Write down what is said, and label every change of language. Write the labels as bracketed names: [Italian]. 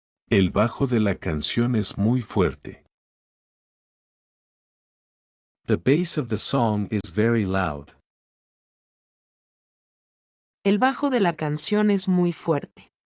[Spanish] El bajo de la canción es muy fuerte. [English] The bass of the song is very loud. [Spanish] El bajo de la canción es muy fuerte.